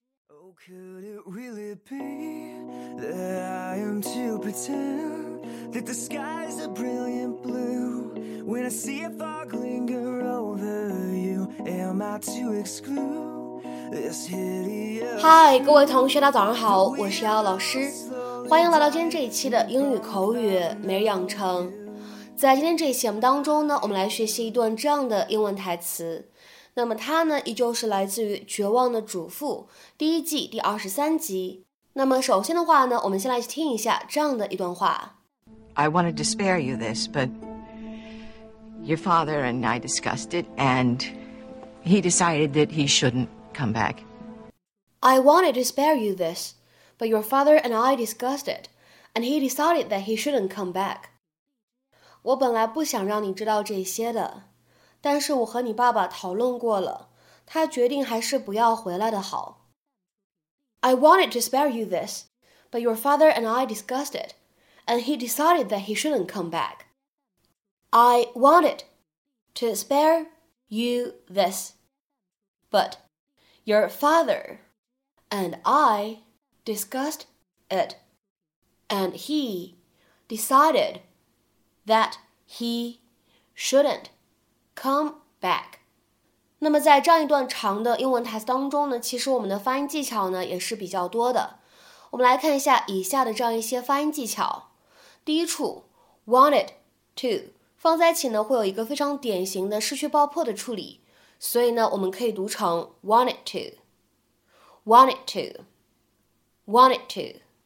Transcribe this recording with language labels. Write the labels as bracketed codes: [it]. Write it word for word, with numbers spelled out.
[en] How could it really be that I am to pretend that the skies are brilliant blue when I see a fog linger over you? Am I to exclude this hideous? [zh] 嗨，各位同学，大家早上好，我是瑶瑶老师，欢迎来到今天这一期的英语口语每日养成。在今天这一期节目当中呢，我们来学习一段这样的英文台词。那么它呢依旧是来自于《绝望的主妇》第一季第二十三集。那么首先的话呢，我们先来听一下这样的一段话。 [en] I wanted to spare you this, but your father and I discussed it, and he decided that he shouldn't come back. I wanted to spare you this, but your father and I discussed it, and he decided that he shouldn't come back. [zh] 我本来不想让你知道这些的。但是我和你爸爸讨论过了，他决定还是不要回来的好。 [en] I wanted to spare you this, but your father and I discussed it, and he decided that he shouldn't come back. I wanted to spare you this, but your father and I discussed it, and he decided that he shouldn't. Come back. [zh] 那么在这样一段长的英文台词当中呢，其实我们的发音技巧呢也是比较多的。我们来看一下以下的这样一些发音技巧。第一处 wanted to 放在一起呢会有一个非常典型的失去爆破的处理，所以呢我们可以读成 [en] wanted to, wanted to, wanted to.